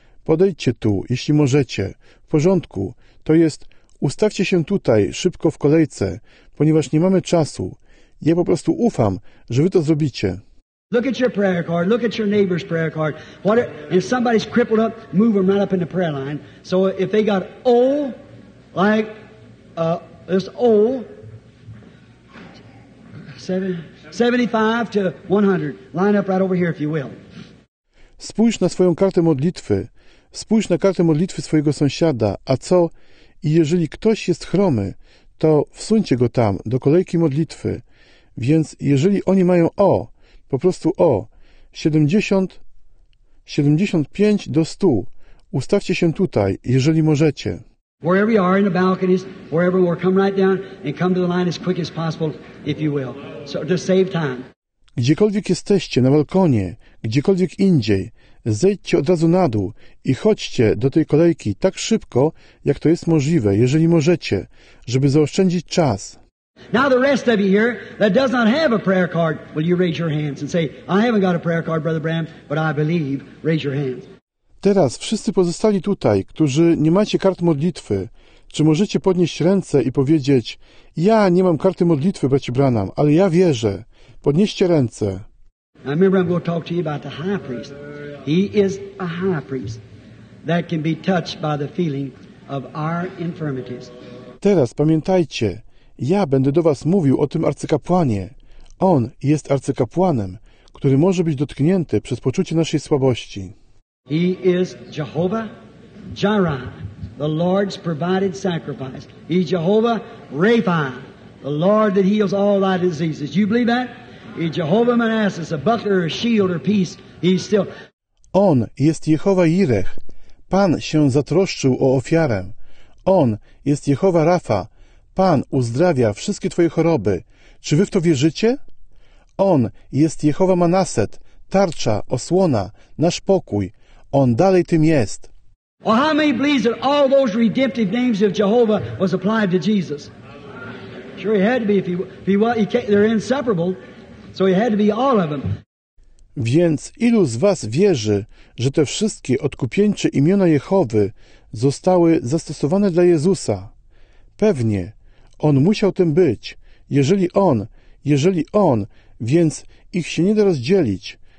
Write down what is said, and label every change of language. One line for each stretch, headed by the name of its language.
Polish: Podejdźcie tu, jeśli możecie. W porządku. To jest, ustawcie się tutaj, szybko w kolejce, ponieważ nie mamy czasu. Ja po prostu ufam, że wy to zrobicie.
English: Look at your prayer card. Look at your neighbor's prayer card. What it, and if somebody's crippled up, move them right up in the prayer line. So if they got O, like this O, 75 to 100, line up right over here if you will.
Polish: Spójrz na swoją kartę modlitwy. Spójrz na kartę modlitwy swojego sąsiada. A co? I jeżeli ktoś jest chromy, to wsuńcie go tam, do kolejki modlitwy. Więc jeżeli oni mają O, po prostu O, 70, 75 do 100, ustawcie się tutaj, jeżeli możecie.
English: Wherever you are in the balconies, wherever we're, come right down and come to the line as quick as possible, if you will. So to save time.
Polish: Gdziekolwiek jesteście, na balkonie, gdziekolwiek indziej, zejdźcie od razu na dół i chodźcie do tej kolejki tak szybko, jak to jest możliwe, jeżeli możecie, żeby zaoszczędzić czas.
English: Now the rest of you here that does not have a prayer card, will you raise your hands and say, I haven't got a prayer card, Brother Bram, but I believe, raise your hands.
Polish: Teraz wszyscy pozostali tutaj, którzy nie macie kart modlitwy, czy możecie podnieść ręce i powiedzieć, ja nie mam karty modlitwy, bracie Branham, ale ja wierzę. Podnieście ręce.
English: I remember I'm going to talk to you about the high priest. He is a high priest that can be touched by the feeling of our infirmities.
Polish: Teraz pamiętajcie, ja będę do was mówił o tym arcykapłanie. On jest arcykapłanem, który może być dotknięty przez poczucie naszej słabości.
English: He is Jehovah Jireh, the Lord's provided sacrifice. He is Jehovah Rapha, the Lord that heals all thy diseases. You believe that? He is Jehovah Manassas, a buckler, a shield, or peace. He's still.
Polish: On jest Jehova Jireh. Pan się zatroszczył o ofiarę. On jest Jehova Rapha. Pan uzdrawia wszystkie twoje choroby. Czy wy w to wierzycie? On jest Jehova Manaset, tarcza, osłona, nasz pokój. On dalej tym jest.
English: Well, how many believes that all those redemptive names of Jehovah was applied to Jesus? Sure, he had to be. They're inseparable, so he had to be all of them.
Polish: Więc ilu z was wierzy, że te wszystkie odkupieńcze imiona Jehowy zostały zastosowane dla Jezusa? Pewnie. On musiał tym być. Jeżeli on, więc ich się nie da rozdzielić.